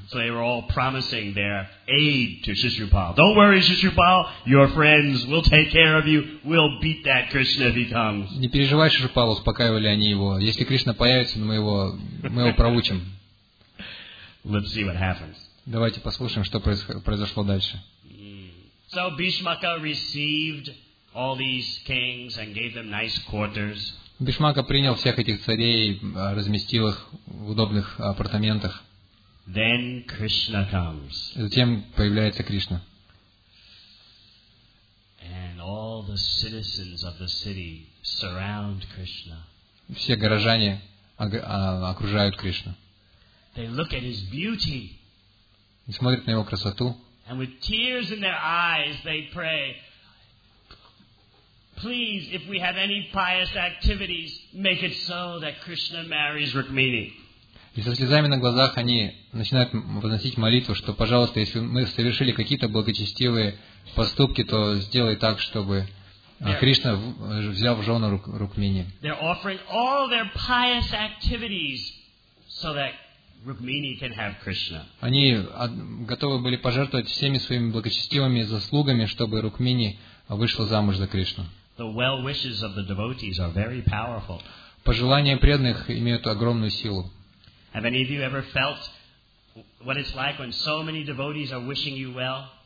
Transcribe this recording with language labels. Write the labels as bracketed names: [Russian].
[English] So they were all promising their aid to Shishupal. Don't worry, Shishupal, your friends will take care of you. We'll beat that Krishna if he comes. [Russian] Не переживай, Шишупал, успокаивали они его. Если Кришна появится, мы его проучим. [English] Let's see what happens. [Russian] Давайте послушаем, что произошло дальше. [English] So Bhishmaka received all these kings and gave them nice quarters. [Russian] Бишмака принял всех этих царей, разместил их в удобных апартаментах. [English] Then Krishna comes. [Russian] Затем появляется Кришна. [English] And all the citizens of the city surround Krishna. [Russian] Все горожане окружают Кришну. [English] They look at his beauty. [Russian] И смотрят на его красоту. [English] And with tears in their eyes they pray. Please, if we have any pious activities, make it so that Krishna marries Rukmini. [Russian] И со слезами на глазах они начинают возносить молитву, что, пожалуйста, если мы совершили какие-то благочестивые поступки, то сделай так, чтобы Кришна взял в жены Рукмини. [English] They're offering all their pious activities so that Rukmini can have Krishna. [Russian] Они готовы были пожертвовать всеми своими благочестивыми заслугами, чтобы Рукмини вышла замуж за Кришну. [English] The well wishes of the devotees are very powerful. [Russian] Пожелания преданных имеют огромную силу. [English] Have any of you ever felt what it's like when so many devotees are wishing you well?